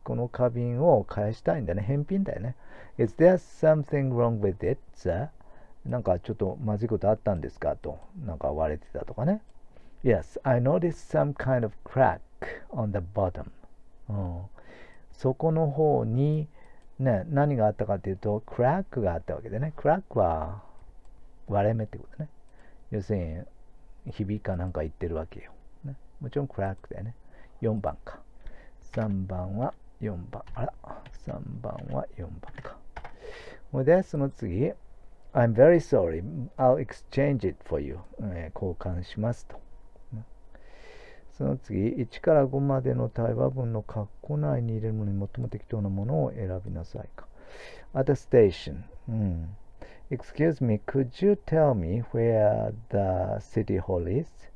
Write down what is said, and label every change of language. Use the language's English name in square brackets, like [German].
[Japanese] この花瓶を返したいんだね。返品だよね。 [English] Is there something wrong with it, sir? [Japanese] なんかちょっとまずいことあったんですかと。なんか割れてたとかね。 [English] Yes, I noticed some kind of crack on the bottom. [Japanese] そこの方に、ね、何があったかというと、クラックがあったわけでね。クラックは割れ目ってことね。要するに、ひびかなんか言ってるわけよ、ね。もちろんクラックだよね。 4番か。3番は4番。あら、3番は4番か。ほいで、その次。 [English] I'm very sorry. I'll exchange it for you.、 [Japanese] 交換しますと。その次、1から5までの対話文の括弧内に入れるのに最も適当なものを選びなさいか。 [English] At the station. Excuse me, could you tell me where the city hall is?